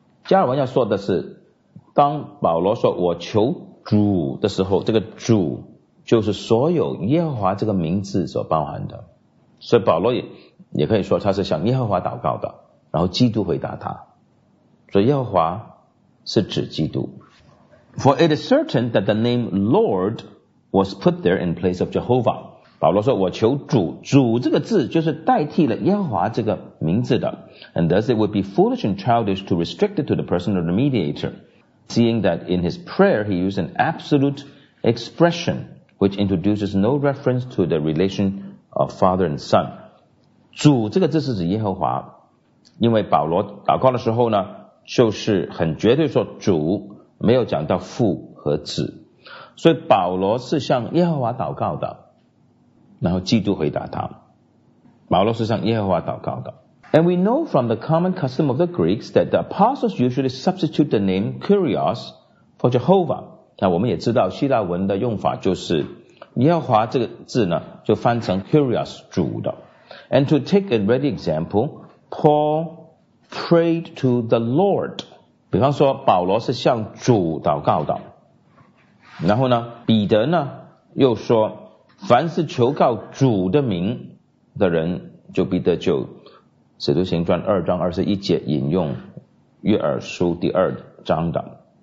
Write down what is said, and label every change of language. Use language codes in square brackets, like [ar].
[zh] 加尔文要说的是，当保罗说我求主的时候，这个主就是所有耶和华这个名字所包含的，所以保罗也可以说他是向耶和华祷告的，然后基督回答他，所以耶和华是指基督。 [en] For it is certain that the name Lord was put there in place of Jehovah。 [zh] 保罗说我求主，主这个字就是代替了耶和华这个名字的。 [en] And thus it would be foolish and childish to restrict it to the person of the mediator, seeing that in his prayer he used an absolute expression which introduces no reference to the relation of father and son。 [zh] 主这个字是指耶和华，因为保罗祷告的时候呢，就是很绝对说主，没有讲到父和子，所以保罗是向耶和华祷告的，然后基督回答他。保罗是向耶和华祷告的。 [en] And we know from the common custom of the Greeks that the apostles usually substitute the name Kyrios for Jehovah。 [zh] 那我们也知道希腊文的用法就是耶和华这个字呢就翻成 Kyrios 主的。 [en] And to take a ready example, Paul prayed to the Lord。 [zh] 比方说保罗是向主祷告的，然后呢彼得呢又说凡是求告主的名的人，就彼得就使徒行传二章二十一节引用约珥书第二章的。